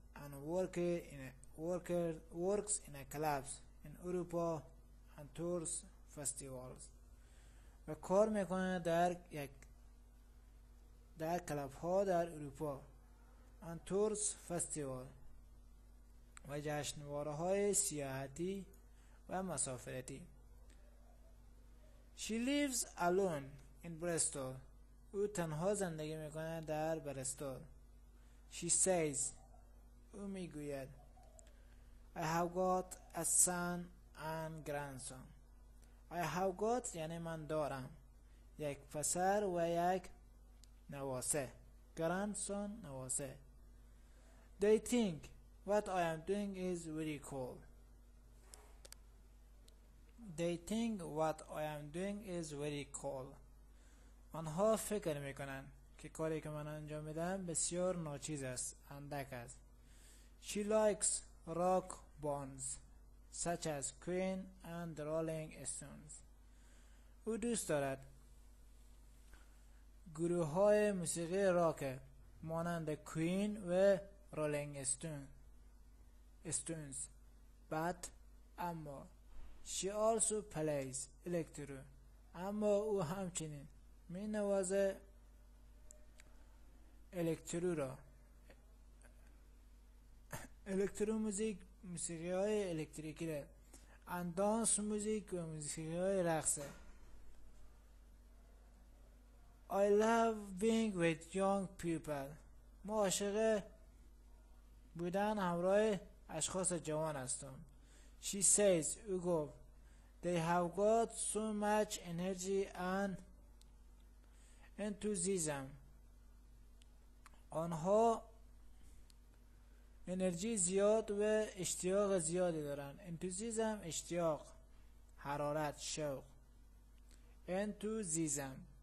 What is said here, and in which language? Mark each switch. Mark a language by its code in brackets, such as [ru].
[en] And works in a clubs in Europa and tours festivals. [fa] و کار میکنه در کلاب ها در اروپا [en] and tours festival [fa] و جشنواره های سیاحتی و مسافرتی. [en] She lives alone in Bristol. [fa] او تنها زندگی میکنه در برستول. [en] She says. [fa] او میگوید [en] I have got a son and grandson. I have got [fa] یعنی من دارم یک پسر و یک نواسه. Grandson نواسه. [en] They think what I am doing is very cool. They think what I am doing is very cool. [fa] آنها فکر میکنن که کاری که من انجام میدم بسیار ناچیز است. اندک است. [en] She likes rock bands such as Queen and Rolling Stones. [fa] او دوست دارد گروه های موسیقی راک مانند کوین و رولینگ استونز. [en] But اما she also plays electro. [fa] اما او همچنین می نوازه الکترو را. الکترو موزیک موسیقی های الکتریکی را. And دانس موزیک و موسیقی های رقصه. [en] I love being with young people. [fa] ما عاشق بودن همراه اشخاص جوان هستم. [en] She says, [fa] او گفت, [en] they have got so much energy and enthusiasm. [fa] آنها انرژی زیاد و اشتیاق زیادی دارن. انتوزیزم اشتیاق، حرارت، شوق. انتوزیزم.